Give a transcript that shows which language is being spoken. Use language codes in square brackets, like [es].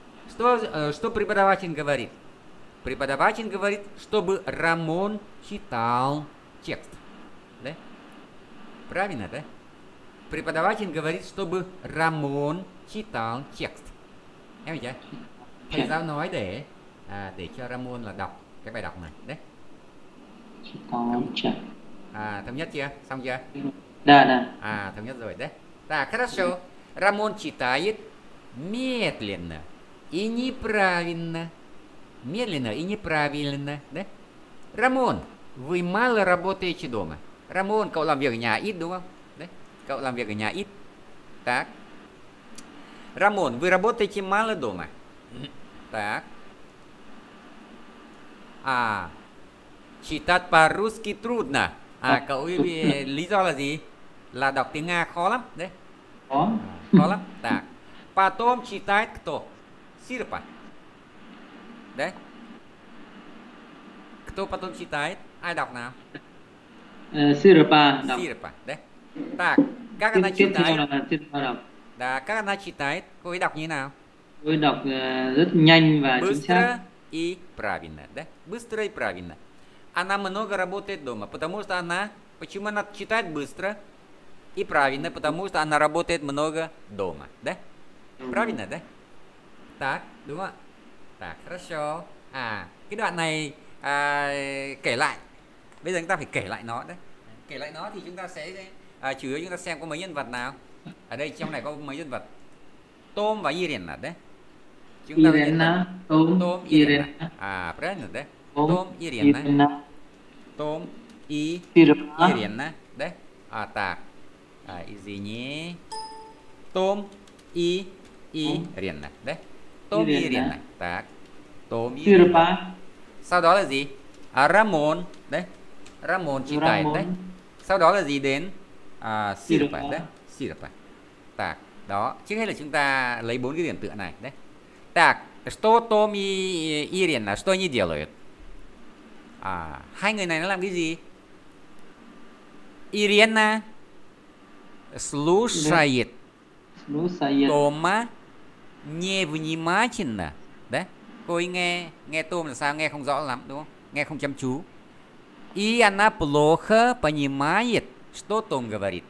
[ru] Что что преподаватель говорит? Преподаватель говорит, чтобы Рамон читал текст. Да? Правильно, да? Преподаватель говорит, чтобы Рамон читал текст. Я понял? [vi] Thầy giáo nói để cho Рамон là đọc cái bài đọc này, đấy. [ru] Читал текст. [vi] Thống nhất chưa? Xong chưa? [ru] Да, да. [vi] Thống nhất rồi, đấy. [ru] Так, хорошо. Рамон читает медленно и неправильно. Медленно и неправильно, да? Рамон, вы мало работаете дома. [vi] Рамон, cậu làm việc ở nhà ít, đúng không? Да? Cậu làm việc ở nhà ít. [ru] Так. Рамон, вы работаете мало дома. Так. Читать по-русски трудно. [vi] А cậu lý do là gì? Là đọc tiếng Nga khó lắm đấy. Khó. Khó lắm. [ru] Так. Потом читает кто? Сирпа. Đấy. Кто потом читает? [vi] Ai đọc nào? [ru] Сирпа. Сирпа. Đấy. Так. Как она читает? [vi] Сирпа đọc. [ru] Да, как она читает? [vi] Cô ấy đọc như nào? Cô ấy đọc rất nhanh và chính xác. [ru] Быстро и правильно. Да? Быстро и правильно. Она много работает дома, потому что она... Почему она читает быстро и правильно? Потому что она работает много дома, да? Правильно, да? Так, думаю. Так, хорошо. [vi] А, cái đoạn này kể lại. Bây giờ chúng ta phải kể lại nó, да? Kể lại nó thì chúng ta sẽ... chủ yếu chúng ta xem có mấy nhân vật nào. Ở đây trong này có mấy nhân vật. Tôm và Irena, да? Chúng ta Irena, Tôm, Tôm, Irena. [ru] À, правильно, да? [vi] Tom Irena. Tom I Irena, đấy. À ta. À gì nhỉ? Tom I Irena, đấy. Tom Irena, ta. Tom Irena. Sau đó là gì? À Ramon, đấy. Ramon chỉ tài đấy. Sau đó là gì đến? À Sirpa, đấy. Sirpa. Ta. Đó. Trước hết là chúng ta lấy bốn cái điểm tựa này, đấy. Ta. [ru] Что Tom I Irena, что они делают? [vi] À, hai người này nó làm cái gì? [ru] Irena слушает Тома невнимательно. [vi] Đấy, cô ấy nghe, nghe Tom là sao? Nghe không rõ lắm, đúng không? Nghe không chăm chú. [ru] И она плохо понимает, что Том говорит.